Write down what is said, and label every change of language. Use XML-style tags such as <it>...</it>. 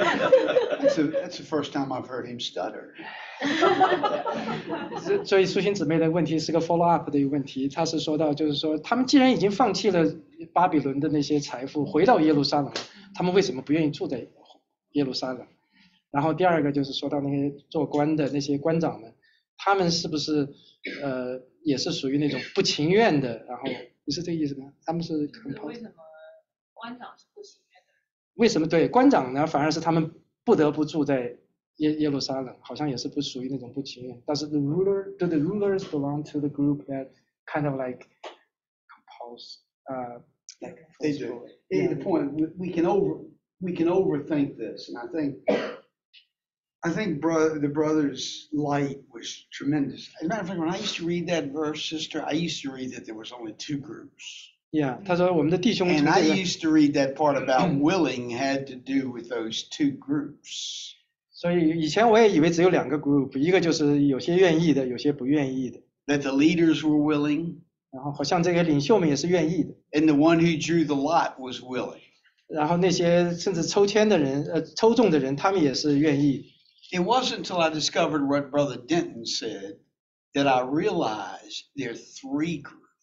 <en>that's the first time I've heard him stutter.</en> <zh>所以苏欣姊妹的问题是个</zh> <en>follow up</en> <zh>的一个问题，他是说到，就是说他们既然已经放弃了巴比伦的那些财富，回到耶路撒冷，他们为什么不愿意住在耶路撒冷？然后第二个就是说到那些做官的那些官长们。他们是不是也是属于那种不情愿的，然后你是这个意思吗？他们是compulsory。为什么官长是不情愿的？为什么对，官长呢，反而是他们不得不住在耶路撒冷，好像也是不属于那种不情愿。</zh> <en>Do the rulers belong to the group that kind of like compulse? They do. Yeah. The point, we can overthink this, and I think the brother's light was tremendous. As a matter of fact, when I used to read that verse, sister, I used to read that there was only two groups.</en> <zh>Yeah, 他说我们的弟兄,</zh> <en>and I used to read that part about willing had to do with those two groups.</en> <zh>所以以前我也以为只有两个 group, 一个就是有些愿意的，有些不愿意的。</zh> <en>That the leaders were willing.</en> <zh>然后好像这些领袖们也是愿意的。</zh> <en>And the one who drew the lot was willing.</en> <zh>然后那些甚至抽签的人，抽中的人，他们也是愿意。</zh> <en>It wasn't until I discovered what Brother Denton said that I realized there are three groups.</en>